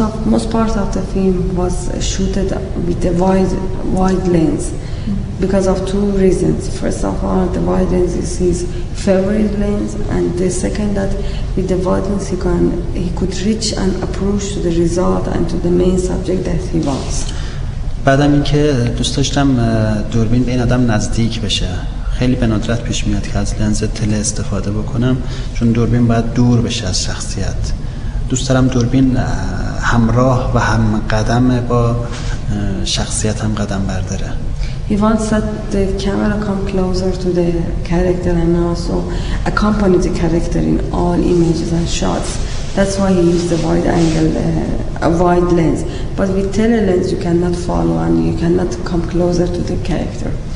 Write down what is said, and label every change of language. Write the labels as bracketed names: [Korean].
[English] Most part of the film was shooted with a wide lens because of two reasons. First of all, the wide lens is his favorite lens, and the second that with the wide lens he could reach and approach to the result and to the main subject that he wants. [Persian] بعدم اینکه دوست داشتم دوربین به این آدم نزدیک بشه. خیلی به ندرت پیش میاد که از لنز تله استفاده بکنم، چون دوربین باید دور بشه از شخصیت. دوست دارم دوربین همراه و هم قدم با شخصیت هم قدم برداره. [English] He wants that the camera come closer to the character and also accompany the character in all images and shots. That's why he used the wide angle, a wide lens. But with tele lens you cannot follow and you cannot come closer to the character.